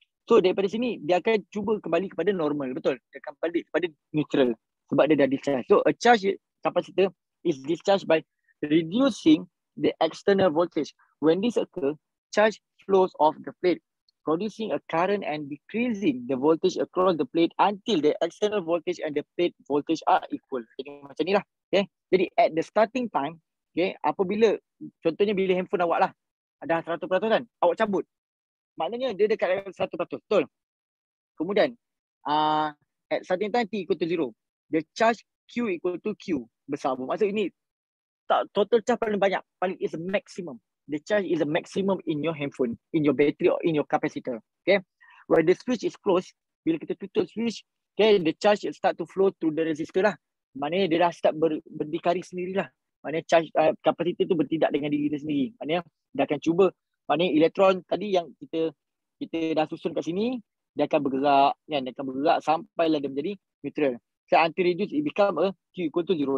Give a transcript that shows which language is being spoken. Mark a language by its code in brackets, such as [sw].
[ms] So daripada sini, dia akan cuba kembali kepada normal, betul? Dia akan balik kepada neutral sebab dia dah discharge. [en] So a charge capacitor is discharged by reducing the external voltage. When this occurs, charge flows off the plate, producing a current and decreasing the voltage across the plate until the external voltage and the plate voltage are equal. [ms] Jadi macam ni lah. Okay. Jadi [en] at the starting time, [ms] okay, apabila, contohnya bila handphone awak lah, ada 100% kan, awak cabut. Maknanya dia dekat 100%, betul? Kemudian, [en] at starting time, T equal to 0. The charge Q equal to Q. [ms] Besar pun. Maksud ini, tak total charge paling banyak. Paling [en] is maximum. The charge is a maximum in your handphone, in your battery or in your capacitor. Okay. When the switch is closed, [ms] bila kita tutup switch, [en] okay, the charge will start to flow through the resistor lah. [ms] Maknanya dia dah start berdikari sendirilah. Maknanya charge capacitor tu bertindak dengan diri dia sendiri. Maknanya dia akan cuba, maknanya elektron tadi yang kita dah susun kat sini, dia akan bergerak, kan? Dia akan bergerak sampailah dia menjadi neutral. [en] So until reduce, it become a Q equal to zero.